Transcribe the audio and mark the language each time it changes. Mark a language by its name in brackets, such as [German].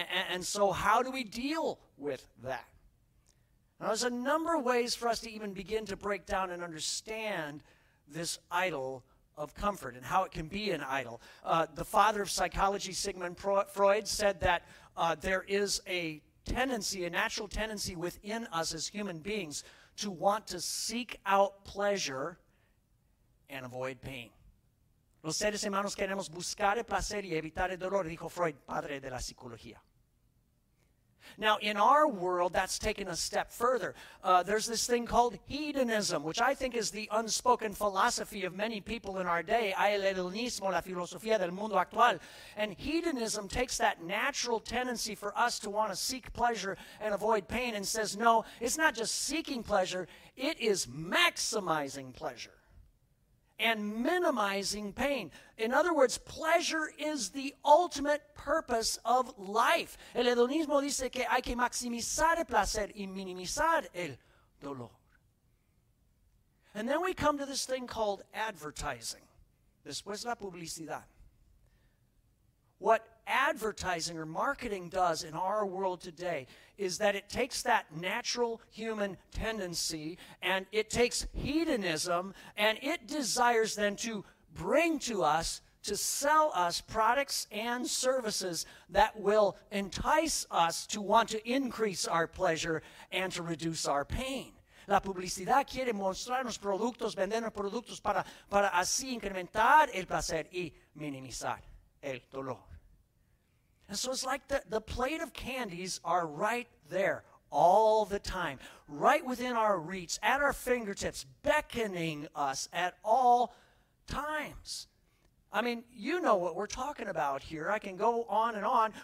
[English] And so how do we deal with that? Now, there's a number of ways for us to even begin to break down and understand this idol of comfort and how it can be an idol. The father of psychology, Sigmund Freud, said that there is a tendency, a natural tendency within us as human beings to want to seek out pleasure and avoid pain. [Spanish] Los seres humanos queremos buscar el placer y evitar el dolor, dijo Freud, padre de la psicología. [English] Now, in our world, that's taken a step further. There's this thing called hedonism, which I think is the unspoken philosophy of many people in our day. [Spanish] El hedonismo, la filosofía del mundo actual. [English] And hedonism takes that natural tendency for us to want to seek pleasure and avoid pain and says, no, it's not just seeking pleasure, it is maximizing pleasure and minimizing pain. In other words, pleasure is the ultimate purpose of life. [Spanish] El hedonismo dice que hay que maximizar el placer y minimizar el dolor. [English] And then we come to this thing called advertising. [Spanish] Después la publicidad. [English] What advertising or marketing does in our world today is that it takes that natural human tendency and it takes hedonism and it desires then to bring to us, to sell us products and services that will entice us to want to increase our pleasure and to reduce our pain. [Spanish] La publicidad quiere mostrarnos productos, vendernos productos para así incrementar el placer y minimizar el dolor. [English] And so it's like the plate of candies are right there all the time, right within our reach, at our fingertips, beckoning us at all times. I mean, you know what we're talking about here. I can go on and on.